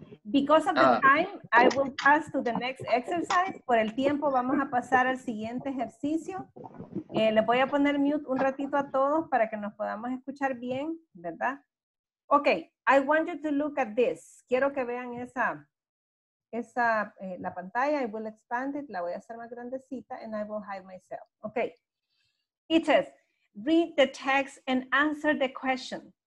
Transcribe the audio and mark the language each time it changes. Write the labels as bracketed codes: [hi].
[en] Because of the time, I will pass to the next exercise. [es] Por el tiempo, vamos a pasar al siguiente ejercicio. Le voy a poner mute un ratito a todos para que nos podamos escuchar bien, ¿verdad? [en] Okay, I want you to look at this. [es] Quiero que vean la pantalla. [en] I will expand it. [es] La voy a hacer más grandecita [en] and I will hide myself. Okay. It says, read the text and answer the question.